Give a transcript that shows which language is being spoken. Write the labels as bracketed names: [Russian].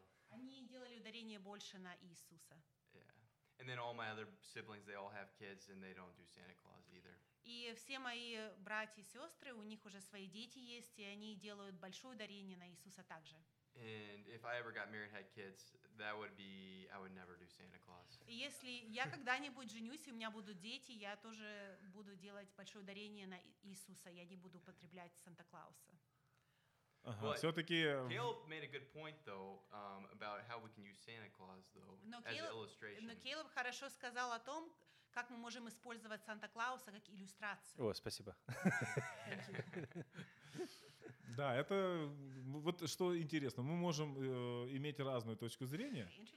[Russian] Они делали ударение больше на Иисуса. [English] Yeah. And then all my other siblings, they all have kids and they don't do Santa Claus either. [Russian] И все мои братья и сестры, у них уже свои дети есть, и они делают большое ударение на Иисуса также. [English] And if I ever got married and had kids, that would be, I would never do Santa Claus. [Russian] Если я когда-нибудь женюсь, и у меня будут дети, я тоже буду делать большое ударение на Иисуса, я не буду употреблять Санта-Клауса. Ага, все-таки. [English] Caleb made a good point, though, about how we can use Santa Claus, though, as an illustration. [Russian] Но Caleb хорошо сказал о том, как мы можем использовать Санта-Клауса как иллюстрацию. О, спасибо. Да, это вот что интересно. Мы можем иметь разную точку зрения.